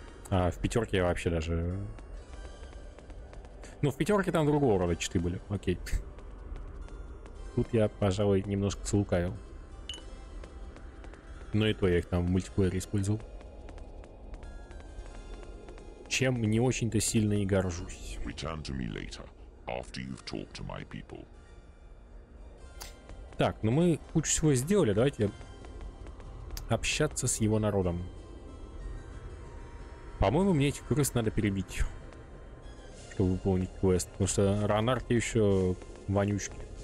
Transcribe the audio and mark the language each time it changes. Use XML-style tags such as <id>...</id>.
<ru>А в пятерке я вообще даже... Ну, в пятерке там другого рода читы были. Окей. Тут я, пожалуй, немножко целукавил. Но и то я их там в мультиплеере использовал. Чем не очень-то сильно и горжусь.</ru> <en>Return to me later, after you've talked to my people.</en> <ru>Так, ну мы кучу всего сделали, давайте общаться с его народом. По-моему, мне этих крыс надо перебить, чтобы выполнить квест, потому что Ронарки еще вонючки.</ru>